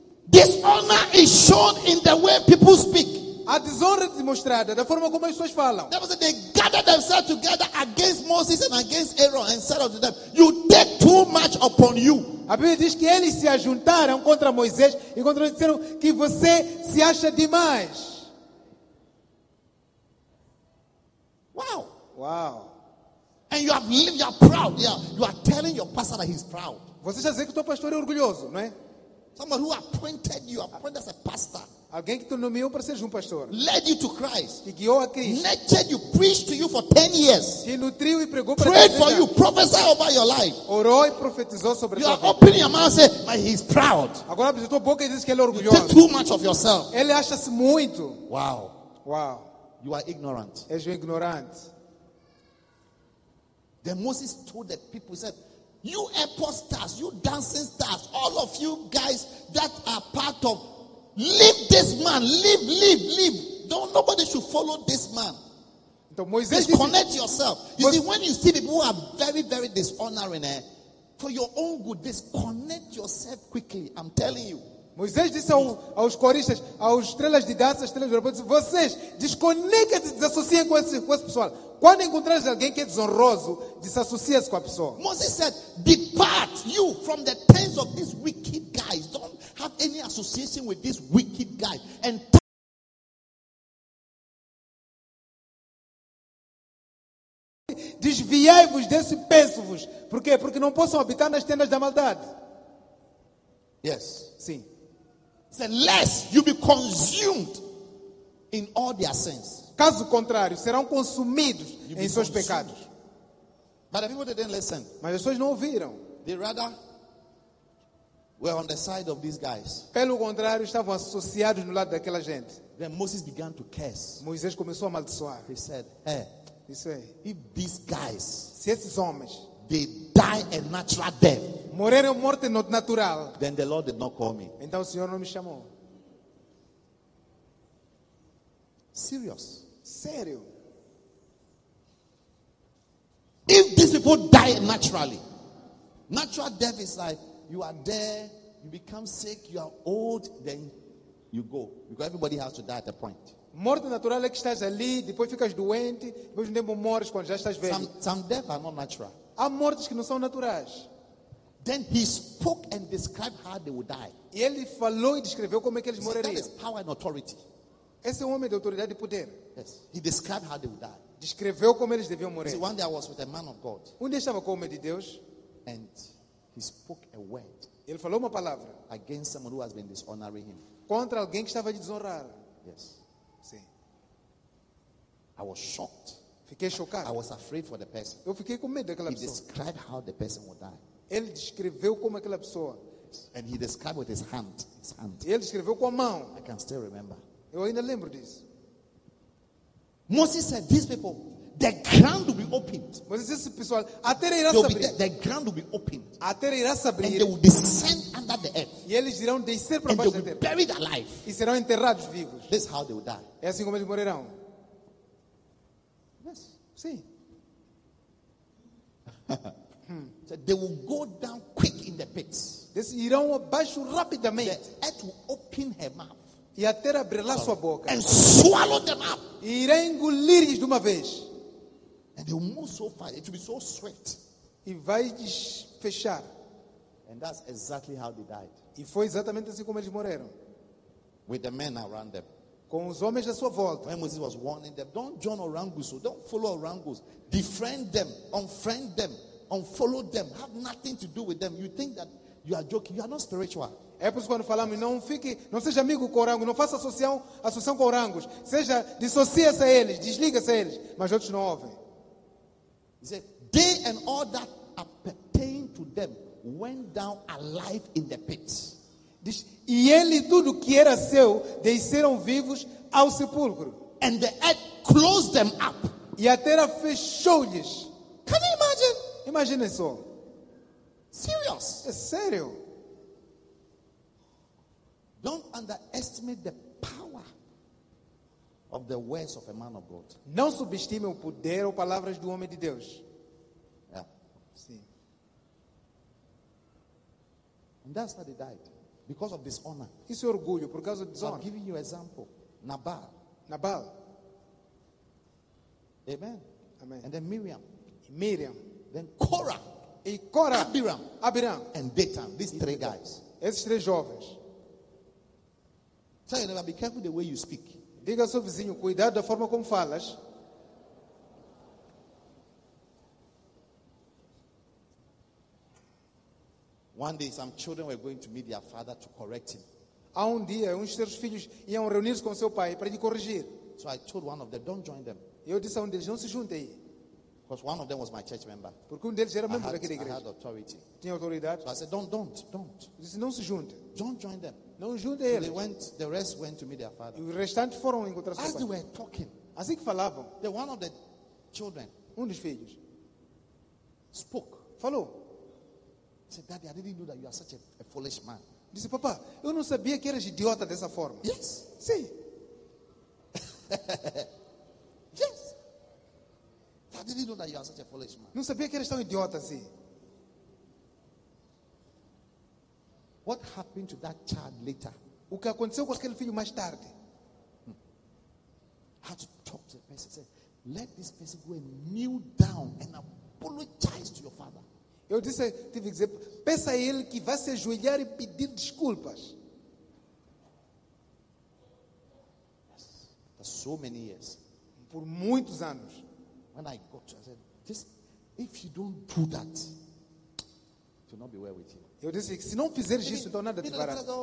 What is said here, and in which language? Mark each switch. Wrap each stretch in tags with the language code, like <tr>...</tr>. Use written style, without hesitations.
<en>Dishonor is shown in the way people speak.</en> <pt>A desonra é demonstrada da forma como as pessoas falam.</pt> <en>They gathered themselves together against Moses and against Aaron and said unto them, you take too much upon you.</en> <pt>A Bíblia diz que eles se ajuntaram contra Moisés e contra eles disseram que você se acha demais. Wow. Wow.</pt> <en>And you have lived, you are proud. You are telling your pastor that he's proud.</en> <pt>Você já disse que o teu pastor é orgulhoso, não é?</pt> <en>Someone who appointed you, appointed as a pastor.</en> <pt>Alguém que te nomeou para ser um pastor.</pt> <en>Led you to Christ.</en> <pt>Que guiou a Cristo.</pt> <en>Nurtured you, preached to you for 10 years.</en> <pt>Que nutriu e pregou para você.</pt> <en>Prayed for you, prophesied over your life.</en> <pt>Orou e profetizou sobre você.</pt> <en>You are opening your mouth and say, but he's proud.</en> <pt>Agora abre tua boca e diz que ele é orgulhoso.</pt> <en>You take too much of yourself.</en> <pt>Ele acha-se muito. Wow. Wow.</pt> <en>You are ignorant.</en> <pt>És um ignorante.</pt> <en>Then Moses told the people, he said, you apostates, you dancing stars, all of you guys that are part of, leave this man, leave. Don't, nobody should follow this man. Disconnect yourself. You see, when you see people who are very, very dishonoring, for your own good, disconnect yourself quickly. I'm telling you.</en> <pt>Moisés disse aos coristas, aos estrelas de dança, estrelas de rapazes, vocês desconectem-se, desassociem com esse pessoal. Quando encontrares alguém que é desonroso, desassocia-se com a pessoa.</pt> <en>Moses said, depart you from the tents of these wicked guys. Don't have any association with this wicked guy. And</en> <pt>desviai-vos desse peço-vos. Por quê? Porque não possam habitar nas tendas da maldade.</pt> <en>Yes.</en> <pt>Sim.</pt> <en>Said, lest you be consumed in all their sins.</en> <pt>Caso contrário, serão consumidos em seus</pt> <en>consumed.</en> <pt>Pecados.</pt> <en>But the people didn't listen.</en> <pt>Mas as pessoas não ouviram.</pt> <en>They rather were on the side of these guys.</en> <pt>Pelo contrário, estavam associados no lado daquela gente.</pt> <en>Then Moses began to curse.</en> <pt>Moisés começou a amaldiçoar.</pt> <en>He said,</en> <pt>hey, isso aí.</pt> <en>If these guys,</en> <pt>se esses homens,</pt> <en>they die a natural death.</en> <pt>Morrer é morte natural.</pt> <en>Then the Lord did not call me.</en> <pt>Então o Senhor não me chamou.</pt> <en>Serious.</en> <pt>Sério.</pt> <en>If these people die naturally, natural death is like you are there, you become sick, you are old, then you go. Because everybody has to die at a point.</en> <pt>Morte natural é que estás ali, depois ficas doente, depois nem morres quando já estás velho.</pt> <en>Some death are not natural.</en> <pt>Há mortes que não são naturais.</pt> <en>Then he spoke and described how they would die.</en> <pt>E ele falou e descreveu como é que eles morreriam.</pt> <en>That is power and authority.</en> <pt>Esse é um homem de autoridade e poder.</pt> <en>Yes. He described how they would die.</en> <pt>Descreveu como eles deviam morrer.</pt> <en>See, one day I was with a man of God.</en> <pt>Um dia estava com um homem de Deus.</pt> <en>And he spoke a word.</en> <pt>Ele falou uma palavra.</pt> <en>Against someone who has been dishonoring him.</en> <pt>Contra alguém que estava a desonrar.</pt> <en>Yes.</en> <pt>Sim.</pt> <en>I was shocked.</en> <pt>Fiquei chocado.</pt> <en>I was afraid for the person.</en> <pt>Eu fiquei com medo daquela pessoa.</pt> <en>He described how the person would die.</en> <pt>Ele descreveu como aquela pessoa.</pt> <en>And he described with his hand.</en> <pt>Ele descreveu com a mão.</pt> <en>I can still remember.</en> <pt>Eu ainda lembro disso.</pt> <en>Moses said, "These people, the ground will be opened."</en> <pt>Moses disse, pessoal, a terra irá se abrir.</pt> <en>The ground will be opened.</en> <pt>A terra irá se abrir.</pt> <en>And they will descend under the earth.</en> <pt>E eles irão descer para baixo da terra.</pt> <en>And they will be buried alive.</en> <pt>E serão enterrados vivos.</pt> <en>This is how they will die.</en> <pt>É assim como eles morrerão.</pt> <en>Yes.</en> <pt>Sim.</pt> <en>So they will go down quick in the pits.</en> <pt>Eles irão abaixo rapidamente.</pt> <en>The earth will open her mouth.</en> <pt>E a terra abrirá sua boca.</pt> <en>And swallow them up.</en> <pt>E irá engolir-lhes de uma vez.</pt> <en>And they will move so fast. It will be so swift.</en> <pt>E vai fechar.</pt> <en>And that's exactly how they died.</en> <pt>E foi exatamente assim como eles morreram.</pt> <en>With the men around them.</en> <pt>Com os homens à sua volta.</pt> <en>When Moses was warning them, don't join orangus, don't follow orangus. Defriend them, unfriend them. Unfollow them. Have nothing to do with them. You think that you are joking. You are not spiritual.</en> <pt>É por isso quando falamos, não fique, não seja amigo com orangos. Não faça associação com orangos. Seja, dissocia-se a eles. Desliga-se a eles. Mas outros não ouvem.</pt> <en>He said, they and all that appertain to them went down alive in the pits.</en> <pt>Diz, e ele tudo que era seu, desceram vivos ao sepulcro.</pt> <en>And the earth closed them up.</en> <pt>E a terra fechou-lhes.</pt> <en>Can you imagine?</en> <pt>Imagine só.</pt> <en>Serious.</en> <pt>É sério.</pt> <en>Don't underestimate the power of the words of a man of God.</en> <pt>Não subestime o poder ou palavras do homem de Deus.</pt> <en>Yeah.</en> <pt>Sim.</pt> <en>And that's how they died, because of dishonor.</en> <pt>Isso é orgulho por causa de desonra.</pt> <en>I'm giving you an example. Nabal. Nabal. Amen. Amen. And then Miriam. Miriam. Then Korah,</en> <pt>e Korah,</pt> <en>Abiram, and Datan, these three guys.</en> <pt>Esses três jovens.</pt> <en>Tell you never be careful the way you speak.</en> <pt>Diga ao seu vizinho, cuidado da forma como falas.</pt> <en>One day some children were going to meet their father to correct him.</en> <pt>Há um dia, uns seus filhos iam reunir-se com seu pai para lhe corrigir.</pt> <en>So I told one of them, don't join them.</en> <pt>Eu disse a um deles, não se juntem.</pt> <en>Because one of them was my church member.</en> <pt>Porque um deles era membro daquele igreja.</pt> <en>I had authority.</en> <pt>Tinha autoridade.</pt> <en>So I said, don't.</en> <pt>Ele disse, não se junte.</pt> <en>Don't join them.</en> <pt>Não junte eles.</pt> <en>They went. The rest went to meet their father.</en> <pt>E o restante foram encontrar seu pai.</pt> <en>As they were talking.</en> <pt>Assim que falavam.</pt> <en>The one of the children.</en> <pt>Um dos filhos.</pt> <en>spoke.</en> <pt>Falou.</pt> <en>He said, "Daddy, I didn't know that you are such a foolish man."</en> <pt>Disse, papá, eu não sabia que eras idiota dessa forma.</pt> <en>Yes.</en> <pt>Sim.</pt> <en>Yes. I didn't know that you are such a foolish man.</en> <pt>Não sabia que eras tão idiota assim.</pt> <en>What happened to that child later?</en> <pt>O que aconteceu com aquele filho mais tarde?</pt> <en>Had to talk to the person. Said, "Let this person go and kneel down and apologize to your father."</en> <pt>Eu disse, tive que dizer, peça a ele que vá se ajoelhar e pedir desculpas.</pt> <en>Yes. For so many years.</en> <pt>Por muitos anos.</pt> <en>When I got to, I said, "This, if you don't do that, it will not be well with you."</en> <pt>Eu disse, se não fizeres isso, então nada te fará.</pt>